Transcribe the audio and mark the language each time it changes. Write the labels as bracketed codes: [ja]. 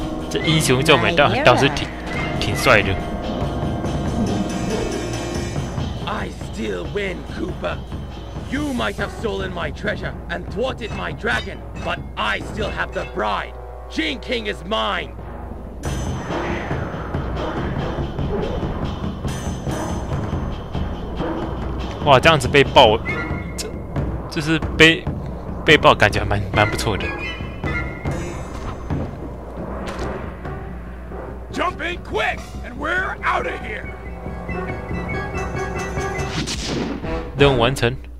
[zh] 这英雄救美倒是挺帅的。 [en] I still win, Cooper. You might have stolen my treasure and thwarted my dragon, but I still have the bride. Jin King is mine. [zh] 哇，这样子被爆！就是被爆，感觉还蛮不错的。 [en] Jump in quick, and we're out of here. [zh] 任务完成。